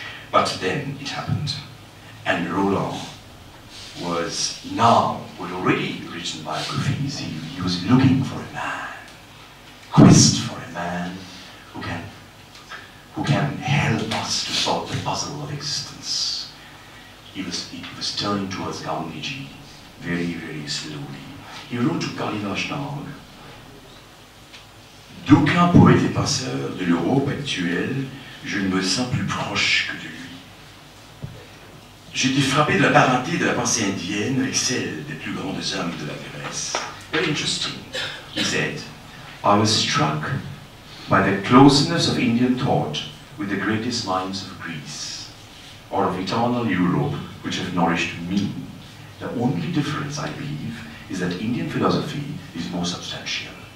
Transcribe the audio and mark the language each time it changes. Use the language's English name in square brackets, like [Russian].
[English] But then it happened. And Roland was now, had already written biographies, he was looking for a man, quest for a man who can help us to solve the puzzle of existence. He was turning towards Gandhiji very, very slowly. He wrote to Kali Vaishnava, [French] d'aucun poète et penseur de l'Europe actuelle, je ne me sens plus proche que de lui. J'étais frappé de la parenté de la pensée indienne avec celle des plus grandes âmes de la Grèce. [English] Very interesting. He said, I was struck by the closeness of Indian thought with the greatest minds of Greece, or of eternal Europe, which have nourished me. The only difference, I believe, is that Indian philosophy is more substantial.